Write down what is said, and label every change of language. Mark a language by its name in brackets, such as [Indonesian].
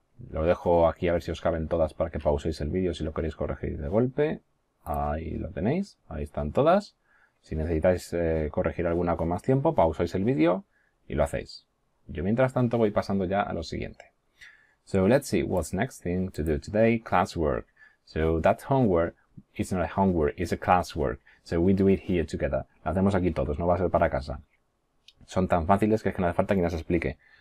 [Spanish] Lo dejo aquí a ver si os caben todas para que pauséis el vídeo si lo queréis corregir de golpe. Ahí lo tenéis, ahí están todas. Si necesitáis corregir alguna con más tiempo, pausáis el vídeo y lo hacéis. Yo mientras tanto voy pasando ya a lo siguiente. [English] So let's see what's next thing to do today, classwork. So that homework is not a homework, it's a classwork. So we do it here together. [Spanish] Lo hacemos aquí todos, no va a ser para casa. Son tan fáciles que es que no hace falta que nos explique.